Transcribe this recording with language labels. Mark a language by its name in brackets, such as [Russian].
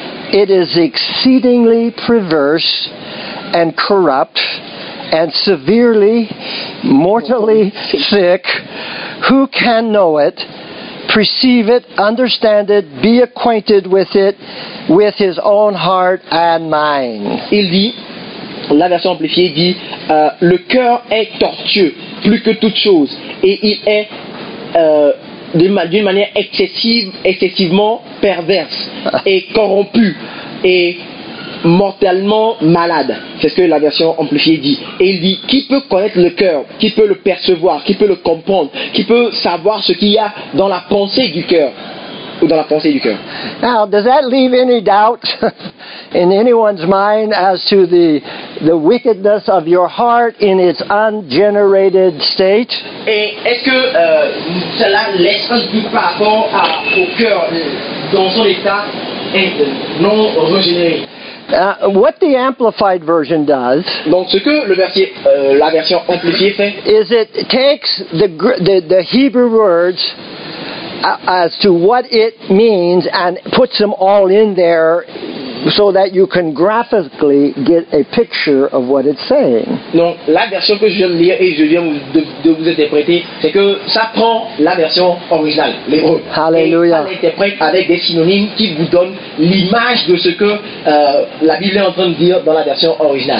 [English] It is exceedingly perverse and corrupt and severely, mortally sick. Who can know it? Perceive it, understand it, be acquainted with it, with his own heart and mind." [French] Il dit, la version amplifiée dit, le cœur est tortueux, plus que toute chose, et il est d'une manière excessivement perverse, et corrompu, et mortellement malade. C'est ce que la version amplifiée dit. Et il dit, qui peut connaître le cœur? Qui peut le percevoir? Qui peut le comprendre? Qui peut savoir ce qu'il y a dans la pensée du cœur? Ou dans la pensée du cœur? [English] Now, does that leave any doubt in anyone's mind as to the wickedness of your heart in its ungenerated state? [French] Et est-ce que cela laisse un doute par rapport au cœur dans son état non régénéré? [English] What the amplified version does? [French] Donc, ce que le verset, la version amplifiée fait, [English] is it takes the Hebrew words as to what it means and puts them all in there so that you can graphically get a picture of what it's saying. [French] Donc, la version que je viens de lire et je viens de vous interpréter, c'est que ça prend la version originale, l'hébreu. [English] Hallelujah. [French] Et ça l'interprète avec des synonymes qui vous donnent l'image de ce que la Bible est en train de dire dans la version originale.